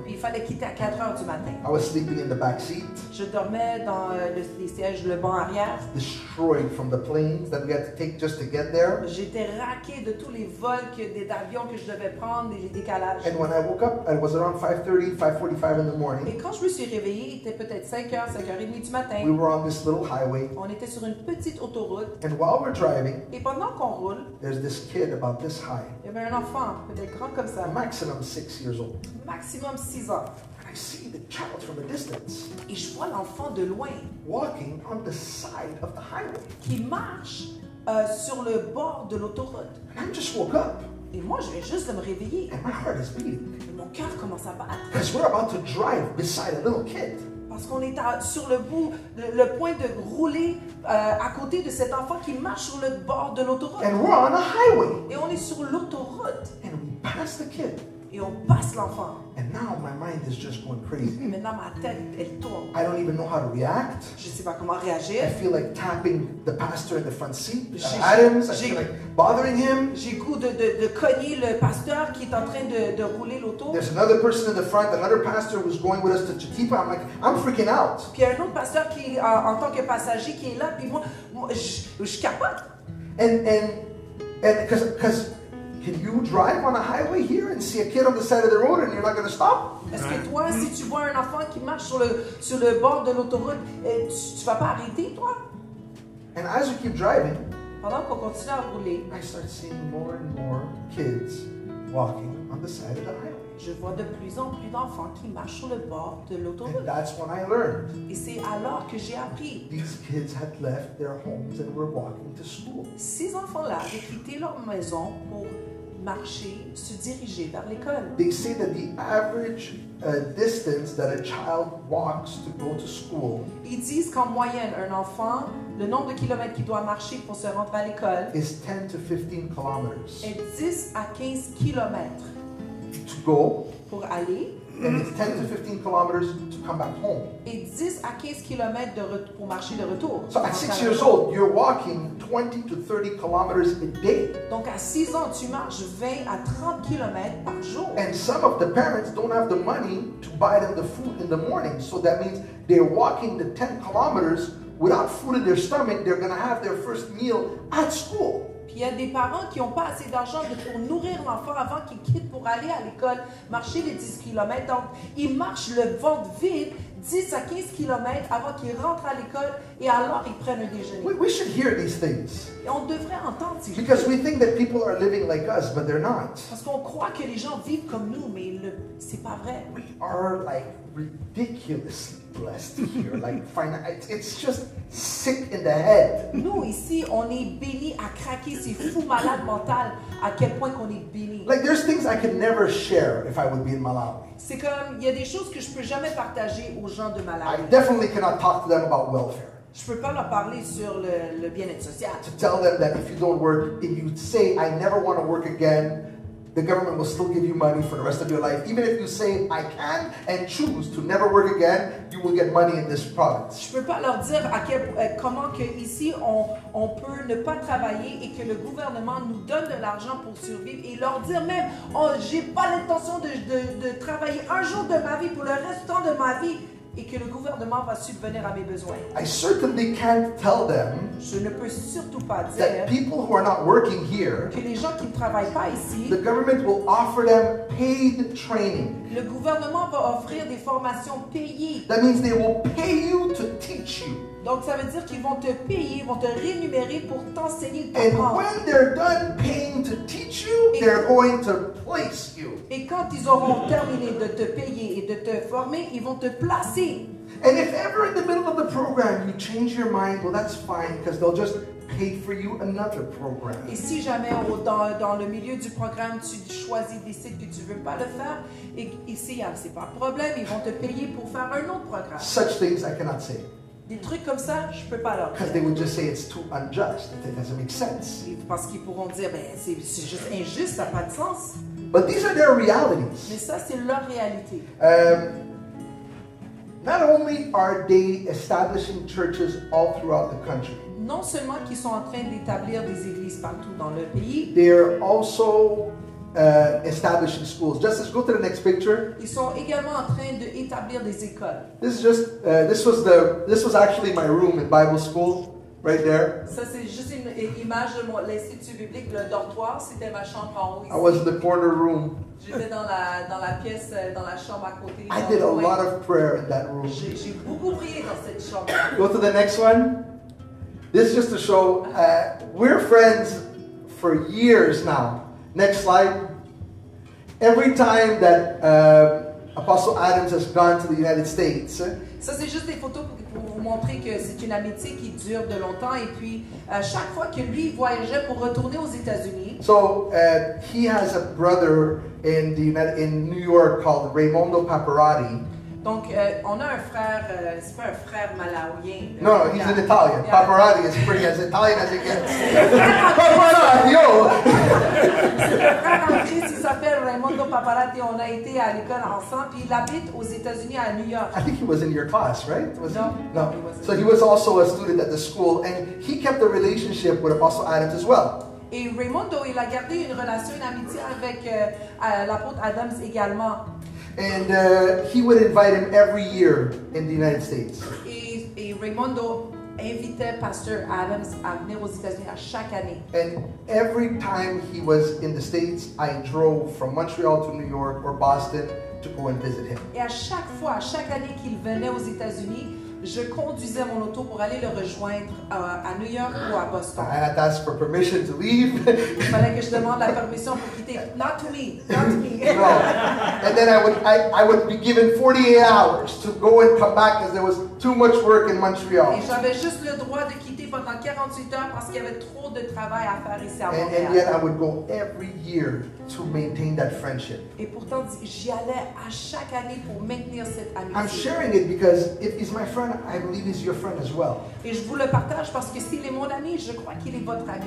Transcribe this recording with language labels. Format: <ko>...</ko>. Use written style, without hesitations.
<fr>Puis il fallait quitter à 4 heures du matin.</fr> <en>I was sleeping in the back seat.</en> <fr>Je dormais dans les sièges, le banc arrière.</fr> <en>Destroyed from the planes that we had to take just to get there.</en> <fr>J'étais raqué de tous les vols d'avions que je devais prendre et les décalages.</fr> <en>And when I woke up, it was around 5:30, 5:45 in the morning.</en> <fr>Et quand je me suis réveillé, il était peut-être 5h30 du matin.</fr> <en>We were on this little highway.</en> <fr>On était sur une petite autoroute.</fr> <en>And while we're driving,</en> <fr>et pendant qu'on roule,</fr> <en>there's this kid about this high.</en> <fr>Mais un enfant peut-être grand comme ça.</fr> <en>Maximum 6 years old.</en> <fr>Maximum 6 ans.</fr> <en>I see the child from a distance.</en> <fr>Et je vois l'enfant de loin.</fr> <en>Walking on the side of the highway.</en> <fr>Qui marche sur le bord de l'autoroute.</fr> <en>And I just woke up.</en> <fr>Et moi, je viens juste de me réveiller.</fr> <en>And my heart is beating.</en> <fr>Et mon cœur commence à battre.</fr> <en>Because we're about to drive beside a little kid.</en> <fr>Parce qu'on est sur le bout, le point de rouler à côté de cet enfant qui marche sur le bord de l'autoroute.</fr> <en>And we're on a highway.</en> <fr>Et on est sur l'autoroute.</fr> <en>And we pass the kid.</en> <fr>Et on passe l'enfant.</fr> <en>And now my mind is just going crazy.</en> <fr>Et maintenant ma tête, elle tourne.</fr> <en>I don't even know how to react.</en> <fr>Je ne sais pas comment réagir.</fr> <en>I feel like tapping the pastor in the front seat, Adams. I feel like bothering him.</en> <fr>J'ai goût de cogner le pasteur qui est en train de rouler l'auto.</fr> <en>There's another person in the front, another pastor who's going with us to Chitipa. I'm like, I'm freaking out.</en> <fr>Puis il y a un autre pasteur qui en tant que passager qui est là, puis moi je capote.</fr> <en>And because can you drive on a highway here and see a kid on the side of the road and you're not going to stop?</en> <fr>Est-ce que toi, si tu vois un enfant qui marche sur le bord de l'autoroute, tu vas pas arrêter, toi?</fr> <en>And as you keep driving,</en> <fr>pendant qu'on continue à rouler,</fr> <en>I start seeing more and more kids walking on the side of the highway.</en> <fr>Je vois de plus en plus d'enfants qui marchent sur le bord de l'autoroute.</fr> <en>And that's when I learned.</en> <fr>Et c'est alors que j'ai appris.</fr> <en>These kids had left their homes and were walking to school.</en> <fr>Ces enfants-là avaient quitté leur maison pour marcher, se diriger vers l'école.</fr> <en>They say that the average distance that a child walks to go to school.</en> <fr>Ils disent qu'en moyenne, un enfant, le nombre de kilomètres qu'il doit marcher pour se rendre à l'école</fr> <en>is 10 to 15 kilometers.</en> <fr>Est 10 à 15 kilomètres.</fr> <en>To go,</en> <fr>pour aller,</fr> <en>and it's 10 to 15 kilometers to come back home.</en> <fr>Et 10 à 15 kilomètres pour marcher de retour.</fr> <en>So at 6 years old, you're walking 20 to 30 kilometers a day.</en> <fr>Donc à 6 ans, tu marches 20 à 30 kilomètres par jour.</fr> <en>And some of the parents don't have the money to buy them the food in the morning. So that means they're walking the 10 kilometers without food in their stomach. They're going to have their first meal at school.</en> <fr>Il y a des parents qui n'ont pas assez d'argent pour nourrir l'enfant avant qu'il quitte pour aller à l'école, marcher les 10 km. Donc, il marche le ventre vide 10 à 15 km avant qu'il rentre à l'école et alors il prenne un déjeuner.</fr> <en>We should hear these things.</en> <fr>Et on devrait entendre ces choses.</fr> <en>Because we think that people are living like us, but they're not.</en> <fr>Parce qu'on croit que les gens vivent comme nous, mais c'est pas vrai.</fr> <en>We are like ridiculously blessed here, like fine. It's just sick in the head.</en> <fr>Nous ici, on est béni à craquer. C'est fou malade mental à quel point qu'on est béni.</fr> <en>Like there's things I could never share if I would be in Malawi.</en> <fr>C'est comme il y a des choses que je peux jamais partager aux gens de Malawi.</fr> <en>I definitely cannot talk to them about welfare.</en> <fr>Je peux pas leur parler sur le bien-être social.</fr> <en>To tell them that if you don't work, if you say I never want to work again, the government will still give you money for the rest of your life. Even if you say, I can and choose to never work again, you will get money in this province.</en> <fr>Je peux pas leur dire comment que ici on peut ne pas travailler et que le gouvernement nous donne de l'argent pour survivre et leur dire même, oh, j'ai pas l'intention de travailler un jour de ma vie pour le restant de ma vie. et que le gouvernement va subvenir à mes besoins.</fr> <en>I certainly can't tell them</en> <fr>je ne peux surtout pas dire</fr> <en>that people who are not working here,</en> <fr>que les gens qui ne travaillent pas ici,</fr> <en>the government will offer them paid training.</en> <fr>Le gouvernement va offrir des formations payées.</fr> <en>That means they will pay you to teach you.</en> <fr>Donc ça veut dire qu'ils vont te payer, vont te rémunérer pour t'enseigner, pour apprendre.</fr> <en>And when they're done paying to teach you, they're going to place you.</en> <fr>Et quand ils auront terminé de te payer et de te former, ils vont te placer.</fr> <en>And if ever in the middle of the program you change your mind, well that's fine because they'll just pay for you another program.</en> <fr>Et si jamais dans le milieu du programme tu choisis, décides que tu veux pas le faire, et ici c'est pas un problème, ils vont te payer pour faire un autre programme.</fr> <en>Such things I cannot say.</en> <fr>Des trucs comme ça, je peux pas leur dire.</fr> <en>Because they would just say it's too unjust. It doesn't make sense.</en> <fr>Parce qu'ils pourront dire, ben c'est juste injuste, ça n'a pas de sens.</fr> <en>But these are their realities.</en> <fr>Mais ça, c'est leur réalité.</fr> <en>Not only are they establishing churches all throughout the country.</en> <fr>Non seulement qu'ils sont en train d'établir des églises partout dans le pays.</fr> <en>They are also establishing schools. Justice, go to the next picture.</en> <fr>Ils sont également en train d'établir des écoles.</fr> <en>This was actually my room in Bible school, right there.</en> <fr>Ça c'est juste une image de moi, l'institut biblique, le dortoir, c'était ma chambre en haut.</fr> <en>I was in the corner room.</en> <fr>J'étais dans la pièce, dans la chambre à côté.</fr> <en>I did a lot of prayer in that room.</en> <fr>J'ai beaucoup prié dans cette chambre.</fr> <en>Go to the next one. This is just to show we're friends for years now. Next slide. Every time that Apostle Adams has gone to the United States.</en> <fr>Ça c'est juste des photos pour vous montrer que c'est une amitié qui dure de longtemps et puis chaque fois que lui voyageait pour retourner aux États-Unis.</fr> <en>So he has a brother in the United, in New York called Raimondo Paparotti.</en> <fr>Donc on a un frère, c'est pas un frère malawien.</fr> <en>No, he's an Italian. Yeah. Paparotti is pretty as Italian as it gets. Paparotti, yo.</en> <fr>Il s'appelle Raimondo Paparotti. On a été à l'école ensemble. Puis il habite aux États-Unis à New York.</fr> <en>I think he was in your class, right? Was no. He? No. So he was also a student at the school, and he kept a relationship with Apostle Adams as well.</en> <fr>Et Raimondo, il a gardé une relation, une amitié avec l'apôtre Adams également.</fr> <en>And he would invite him every year in the United States.</en> <fr>Et Raimondo invitait Pasteur Adams à venir aux États-Unis à chaque année.</fr> <en>And every time he was in the States, I drove from Montreal to New York or Boston to go and visit him.</en> <fr>Et à chaque fois, à chaque année qu'il venait aux États-Unis, je conduisais mon auto pour aller le rejoindre à New York ou à Boston.</fr> <en>I had to ask for permission to leave.</en> <fr>Il fallait que je demande la permission pour quitter.</fr> <en>Not to me, not to me. No. And then I would be given 48 hours to go and come back because there was too much work in Montreal.</en> <fr>Et j'avais juste le droit de quitter pendant 48 heures parce qu'il y avait trop de travail à faire ici à Montréal.</fr> <en>And yet I would go every year to maintain that friendship.</en> <fr>Et pourtant j'y allais à chaque année pour maintenir cette amitié.</fr> <en>I'm sharing it because it is my friend, I believe he's your friend as well.</en> <fr>Et je vous le partage parce que s'il est mon ami, je crois qu'il est votre ami.</fr>